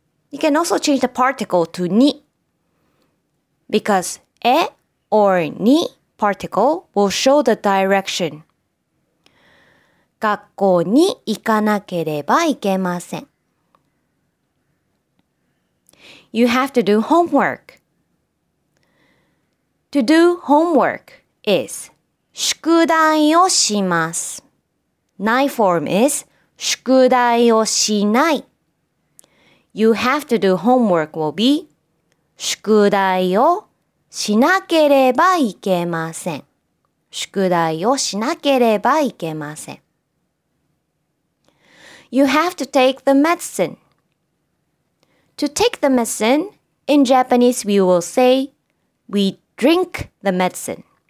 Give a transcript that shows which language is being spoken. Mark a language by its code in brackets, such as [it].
[en] You can also change the particle to に because え or に particle will show the direction. [ja] 学校に行かなければいけません。 [en] you have to do homework. To do homework is [ja] 宿題をします。 [en] Night form is [ja] 宿題をしない。 [en] You have to do homework will be [ja] 宿題をしなければいけません。宿題をしなければいけません。 [en] You have to take the medicine. To take the medicine, in Japanese we will say, we drink the medicine.